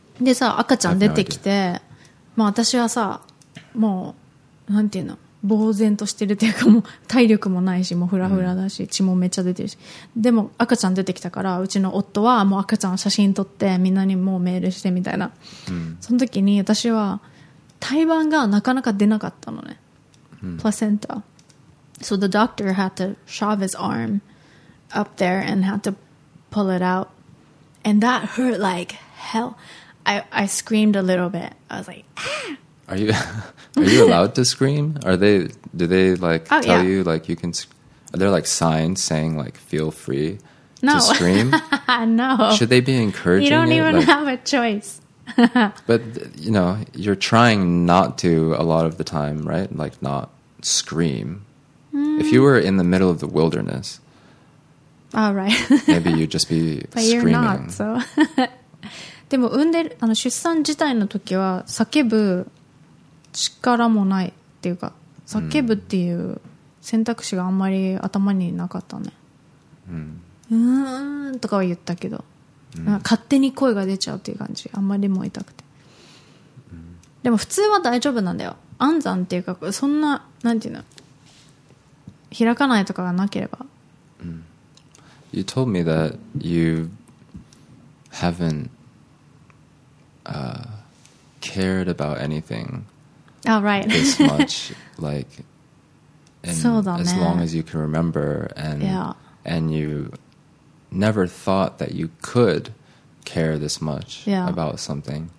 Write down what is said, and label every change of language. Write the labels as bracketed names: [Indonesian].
[Japanese] でさ赤ちゃん出てきて、まあ私はさもうなんていうの、呆然としてるというか、もう体力もないしもうフラフラだし、血もめっちゃ出てるし、でも赤ちゃん出てきたから、うちの夫はもう赤ちゃんの写真撮ってみんなにもうメールしてみたいな、その時に私は胎盤がなかなか出なかったのね、プラセンタ。 [English] So the doctor had to shove his arm up there and had to pull it out. And that hurt like hell. I screamed a little bit. I was like, Are you allowed to scream? Do they like tell you like you can, are there like signs saying like feel free to scream? No. Should they be encouraging you? You don't even have a choice. But you know, you're trying not to a lot of the time, right? Like not scream. If you were in the middle of the wilderness, oh, right. maybe you'd just be but screaming. You're not, so. [Japanese] でも産んでる、あの出産自体の時は叫ぶ力もないっていうか、叫ぶっていう選択肢があんまり頭になかったね。とかは言ったけど、勝手に声が出ちゃうっていう感じ、あんまりも痛くて。でも普通は大丈夫なんだよ。安産っていうか、そんな、なんていうの、開かないとかがなければ。 [English] You told me that you haven't cared about anything. Oh, right. this much, like, as long as you can remember, and you never thought that you could care this much about something.